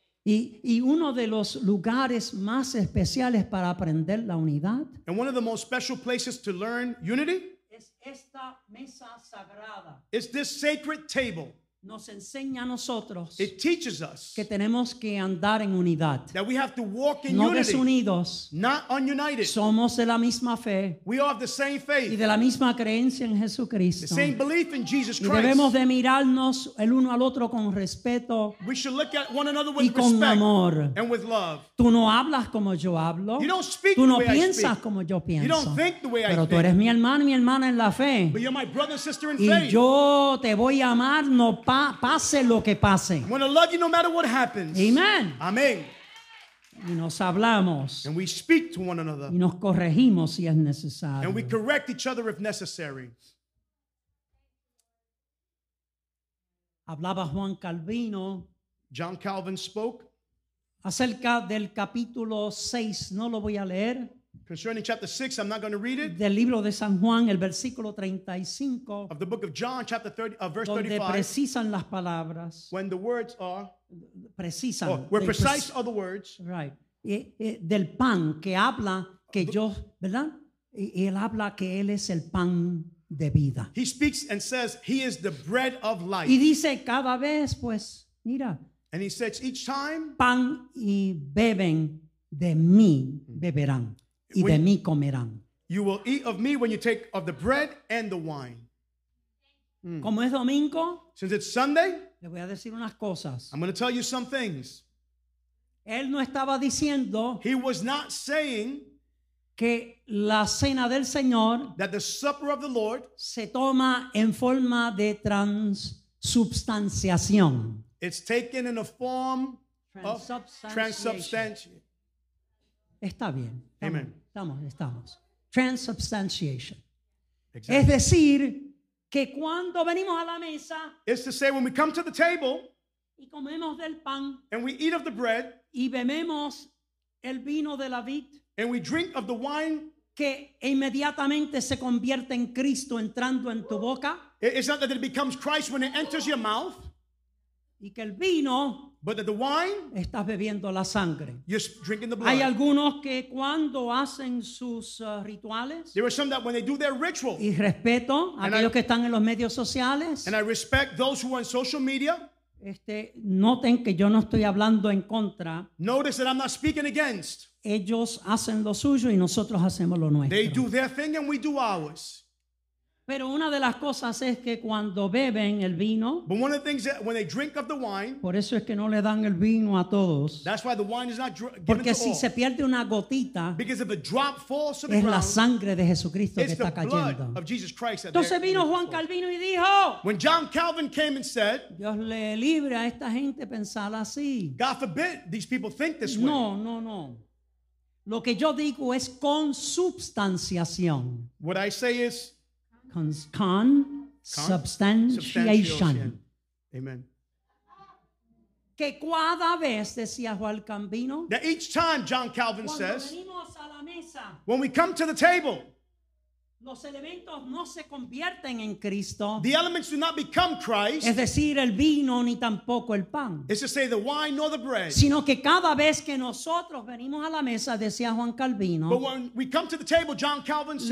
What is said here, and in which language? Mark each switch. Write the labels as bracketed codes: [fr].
[es] Y uno de los lugares más especiales para aprender la unidad. [en] And one of the most special places to learn unity. [es] Es esta mesa sagrada. [en] It's this sacred table. [es] nos enseña a nosotros, [en] it teaches us, [es] que tenemos que andar en unidad, [en] that we have to walk in [es] no [en] unity, [es] desunidos, [en] not ununited. [es] Somos de la misma fe, [en] we are of the same faith, [es] y de la misma creencia en Jesucristo, [en] the same belief in Jesus Christ. [es] Y debemos de mirarnos el uno al otro con respeto, [en] we should look at one another with [es] y con [en] respect, [es] amor, [en] and with love. [es] Tú no hablas como yo hablo, [en] you don't speak [es] tú no [en] the way [es] piensas [en] I speak. [es] Como yo pienso, [en] you don't think the way [es] pero [en] I [es] tú [en] think. [es] Eres mi hermano y mi hermana en la fe, [en] but you're my brother, sister, in [es] y [en] faith. [es] Yo te voy a amar, no pase lo que pase. [en] I want to love you no matter what happens. [es] Amen. [en] Amen. [es] Y nos hablamos. [en] And we speak to one another. [es] Y nos corregimos si es necesario. [en] And we correct each other if necessary. [es] Hablaba Juan Calvino. [en] John Calvin spoke. [es] Acerca del capítulo 6. No lo voy a leer. [en] Concerning chapter 6, I'm not going to read it. [es] Del libro de San Juan, el versículo 35. [en] Of the book of John, chapter 30, verse [es] donde [en] 35. [es] Precisan las palabras. [en] When the words are. [es] Precisan. [en] Oh, where precise are the words. [es] Right. Del pan, que habla que yo, ¿verdad? Él habla que él es el pan de vida. [en] He speaks and says he is the bread of life. [es] Y dice cada vez, pues, mira. [en] And he says each time. [es] Pan y beben de mí, beberán. Y de mí comerán. [en] You will eat of me when you take of the bread and the wine. [es] Mm. Como es domingo, [en] since it's Sunday, [es] le voy a decir unas cosas. [en] I'm going to tell you some things. [es] Él no estaba diciendo, [en] he was not saying [es] que la cena del Señor, [en] that the supper of the Lord, [es] se toma en forma de transubstanciación. [en] It's taken in a form [es] transubstantiation. Está bien. [en] Amen. [es] Estamos. Transubstantiation. [en] Exactly. [es] Es decir, que cuando venimos a la mesa, [en] it's to say when we come to the table, [es] y comemos del pan, [en] and we eat of the bread, [es] y bebemos el vino de la vid, [en] and we drink of the wine, [es] que inmediatamente se convierte en Cristo entrando en tu boca, [en] it's not that it becomes Christ when it enters your mouth, [es] y que el vino, [en] but that the wine, [es] estás bebiendo la sangre. [en] You're drinking the blood. [es] Hay algunos que cuando hacen sus rituales, [en] there are some that when they do their ritual, [es] y respeto a aquellos que están en los medios sociales, [en] and I respect those who are in social media, [es] noten que yo no estoy hablando en contra, [en] notice that I'm not speaking against, [es] ellos hacen lo suyo y nosotros hacemos lo nuestro. [en] They do their thing and we do ours. [es] Pero una de las cosas es que cuando beben el vino, [en] but one of the things that when they drink of the wine, [es] por eso es que no le dan el vino a todos, [en] that's why the wine is not given, [es] porque si [en] to all, [es] se pierde una gotita, [en] because if a drop falls to the ground, [es] es la sangre de Jesucristo que está cayendo. [en] It's the blood of Jesus Christ that [es] entonces vino Juan Calvino y dijo, [en] when John Calvin came and said, [es] Dios le libre a esta gente pensar así, [en] God forbid these people think this [es] no, [en] way. [es] No. Lo que yo digo es consubstanciación. [en] What I say is consubstantiation. Yeah. Amen. [es] Que cada vez, decía Juan Calvino, [en] that each time, John Calvin says, [es] venimos a la mesa, [en] when we come to the table, [es] los elementos no se convierten en Cristo, [en] the elements do not become Christ, [es] es decir, el vino ni tampoco el pan, [en] it's to say the wine nor the bread, [es] sino que cada vez que nosotros venimos a la mesa, decía Juan Calvino, [en] but when we come to the table, John Calvin says,